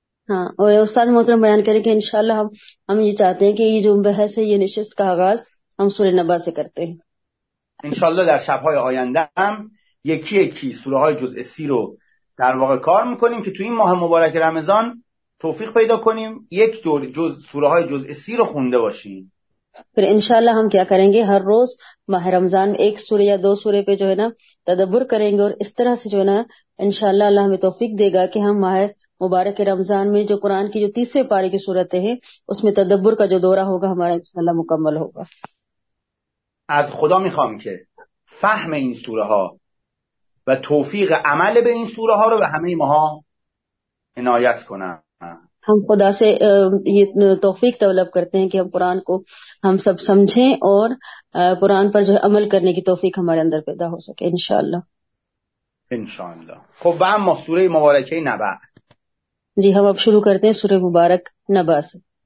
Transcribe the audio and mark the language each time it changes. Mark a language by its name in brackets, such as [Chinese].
[Urdu] ہاں اور استاد محترم بیان کریں کہ انشاءاللہ ہم یہ چاہتے ہیں کہ یہ جو بحث ہے یہ نشست کا آغاز ہم سورہ نبع سے کرتے ہیں. [Persian] انشاءالله در شبهای آینده هم یکی یکی سوره های جزء 30 رو در واقع کار میکنیم که تو این ماه مبارک رمضان توفیق پیدا کنیم یک دور جز سوره های جزء 30 رو خونده باشیم. [Urdu] پھر انشاءاللہ ہم کیا کریں گے، ہر روز ماہ رمضان میں ایک سورہ یا دو سورہ پہ جو ہے نا تدبر کریں گے، اور اس طرح سے جو ہے نا انشاءاللہ اللہ ہمیں توفیق دے گا کہ ہم ماہ مبارک رمضان میں جو قرآن کی جو تیسرے پارے کی سورتیں ہیں اس میں تدبر کا جو دورہ ہوگا ہمارا انشاءاللہ مکمل ہوگا. [Persian] از خدا میخوام که فهم این سوره ها و توفیق عمل به این سوره ها رو به همه ماها عنایت کنه. [Urdu] ہم خدا سے یہ توفیق طلب کرتے ہیں کہ ہم قرآن کو ہم سب سمجھیں اور قرآن پر جو عمل کرنے کی توفیق ہمارے اندر پیدا ہو سکے انشاءاللہ. انشاءاللہ. خب ہم سورہ مبارکہ نبع. جی ہم اب شروع کرتے ہیں سورہ مبارک نبع سے.